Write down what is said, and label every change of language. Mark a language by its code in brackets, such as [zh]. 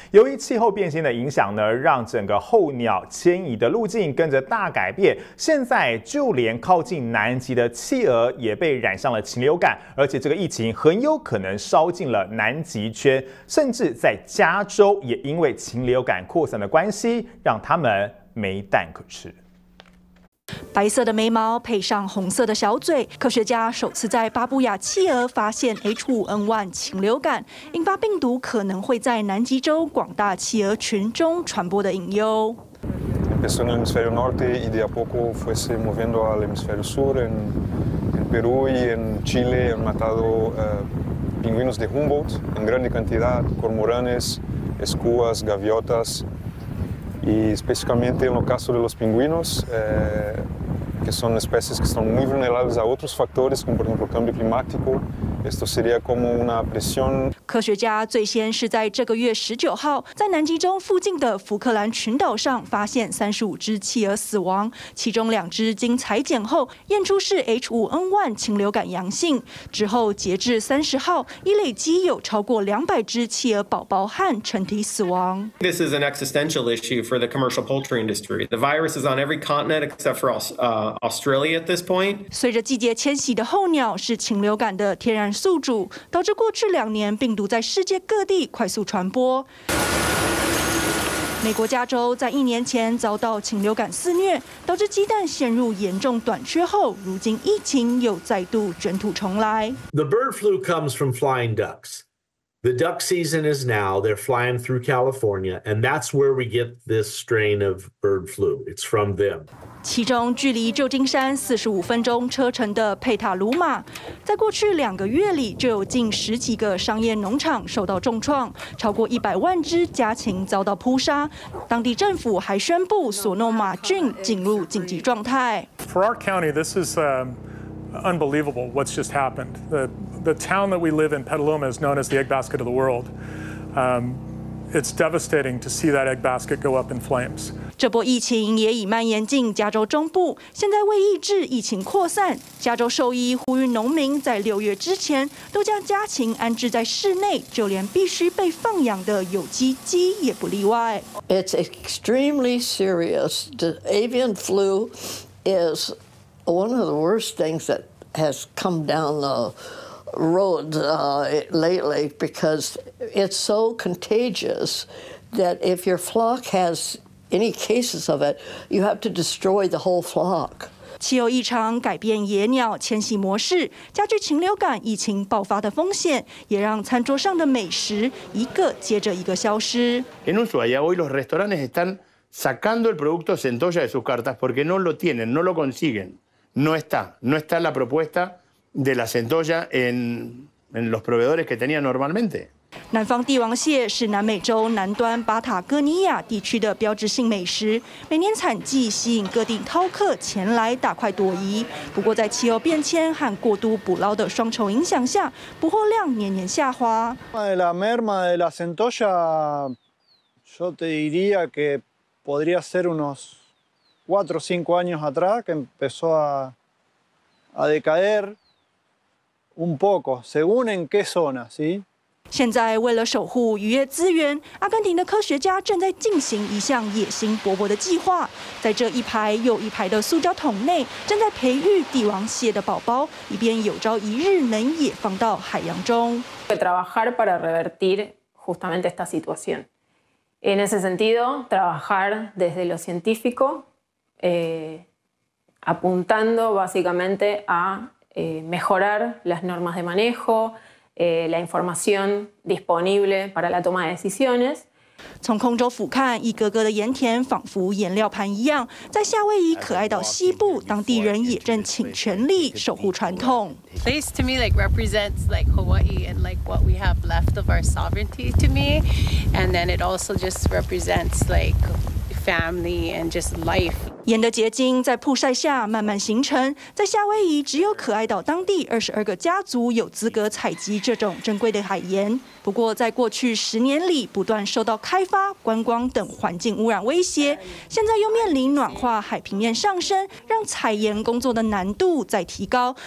[zh] 由于气候变迁的影响呢，让整个候鸟迁移的路径跟着大改变，现在就连靠近南极的企鹅也被染上了禽流感，而且这个疫情很有可能烧进了南极圈，甚至在加州也因为禽流感扩散的关系让他们没蛋可吃。白色的眉毛配上红色的小嘴，科学家首次在巴布亚企鹅发现 H5N1 禽流感引发病毒可能会在南极洲广大企鹅群中传播的隐忧。 [es] Empezó en el hemisferio norte y de a poco fue se moviendo al hemisferio sur. En Perú y en Chile han matado pingüinos de Humboldt en grande cantidad, cormoranes, escuas, gaviotas. Y especificamente en el caso de los pingüinos, que son especies que están muy vulnerables a otros factores, como por ejemplo el cambio climático, esto sería como una presión. [zh] 科学家最先是在这个月19号，在南极洲附近的福克兰群岛上发现35只企鹅死亡，其中2只经采检后验出是 H5N1 禽流感阳性。之后截至30号，已累积有超过200只企鹅宝宝和成体死亡。 [en] This is an existential issue for the commercial poultry industry. The virus is on every continent except for Australia at this point. [zh] 随着季节迁徙的候鸟是禽流感的天然宿主，导致过去2年病毒在世界各地快速传播。美国加州在1年前遭到禽流感肆虐，导致鸡蛋陷入严重短缺后，如今疫情又再度卷土重来。 [en] The bird flu comes from flying ducks. The duck season is now. They're flying through California, and that's where we get this strain of bird flu. It's from them. [zh] 其中距离旧金山45分钟车程的佩塔鲁马，在过去2个月里就有近10几个商业农场受到重创，超过100万只家禽遭到扑杀。当地政府还宣布索诺马郡进入紧急状态。 [en] For our county, this is unbelievable what's just happened. The town that we live in, Petaluma, is known as the egg basket of the world. It's devastating to see that egg basket go up in flames. [zh] 这波疫情也已蔓延进加州中部，现在为抑制疫情扩散，加州兽医呼吁农民在6月之前都将家禽安置在室内，就连必须被放养的有机鸡也不例外。 [en] It's extremely serious. The avian flu is one of the worst things that has come down the road lately because it's so contagious that if your flock has any cases of it, you have to destroy the whole flock. [zh] 气候异常改变野鸟迁徙模式，加剧禽流感疫情爆发的风险，也让餐桌上的美食一个接着一个消失。 [es] En Ushuaia, hoy los restaurantes están sacando el producto centolla de sus cartas porque no lo tienen, no lo consiguen. No está la propuesta de la centolla en los proveedores que tenían normalmente. [zh] 南方帝王蟹是南美洲南端巴塔哥尼亚地区的标志性美食，每年产季吸引各地饕客前来大快朵颐。不过，在气候变迁和过度捕捞的双重影响下，捕获量年年下滑。 [es] La merma de la centolla, yo te diría que podría ser unos 4 o 5 años atrás que empezó a decaer un poco, según en qué zona, sí. [zh] 现在为了守护渔业资源，阿根廷的科学家正在进行一项野心勃勃的计划。在这一排又一排的塑胶桶内，正在培育帝王蟹的宝宝，以便有朝一日能野放到海洋中。 [es] Trabajar para revertir justamente esta situación. En ese sentido, trabajar desde lo científico, apuntando básicamente a mejorar las normas de manejo. La información disponible para la toma de decisiones. [zh] 从空中俯瞰，一个个的盐田仿佛颜料盘一样。在夏威夷可爱岛西部，当地人也正倾全力守护传统。 [en] This to me like represents like Hawaii and like what we have left of our sovereignty to me, and then it also just represents like family and just life. [zh] 盐的结晶在曝晒下慢慢形成，在夏威夷只有可爱岛当地22个家族有资格采集这种珍贵的海盐。不过，在过去十年里，不断受到开发、观光等环境污染威胁，现在又面临暖化、海平面上升，让采盐工作的难度再提高。